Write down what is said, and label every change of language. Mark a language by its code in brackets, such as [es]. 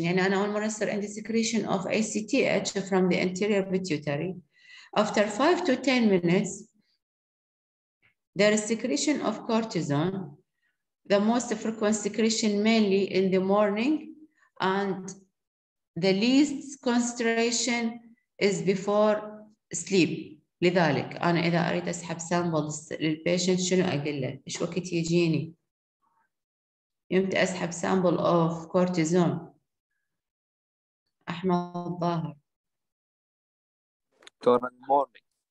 [ar] يعني أنا أول مرة أصير عندي [en] secretion of ACTH from the anterior pituitary. After 5 to 10 minutes, there is secretion of cortisone. The most frequent secretion mainly in the morning and the least concentration is before sleep. [ar] لذلك أنا إذا أريد أسحب samples للpatient شنو أقول له؟ إيش وقت يجيني؟ يمتى أسحب [en] sample of cortisone؟ [ar] أحمد الظاهر. [en] During morning.